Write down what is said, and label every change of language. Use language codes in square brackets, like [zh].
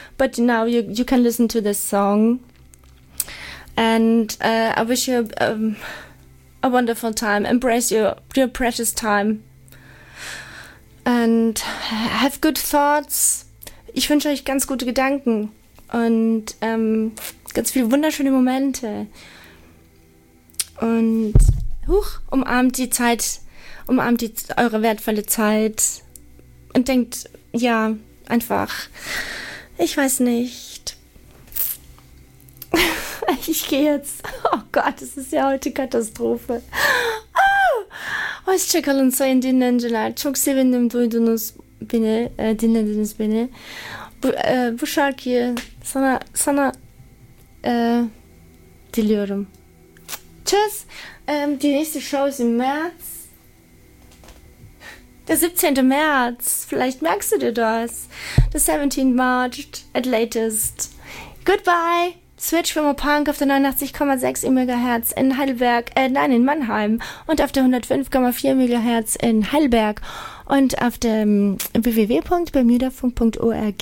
[en] But now you can listen to this song, and I wish you a wonderful time. Embrace your precious time, and have good thoughts. [de] Ich wünsche euch ganz gute Gedanken und ganz viele wunderschöne Momente. Und huch, umarmt die Zeit, umarmt die eure wertvolle Zeit und denkt, ja, einfach, ich weiß nicht. Ich gehe jetzt, oh Gott, es ist ja heute Katastrophe. [tr] Hoş çakalın sayın dinleyiciler, çok sevindim duydunuz beni, dinlediniz beni. Bu şarkıyı sana diliyorum. [de] Tschüss. Die nächste Show ist im März. Der 17. März. Vielleicht merkst du dir das. [en] The 17th March at latest. Goodbye. [de] Switch from a Punk auf der 89,6 MHz in Heidelberg, in Mannheim und auf der 105,4 MHz in Heidelberg und auf dem www.bermudafunk.org.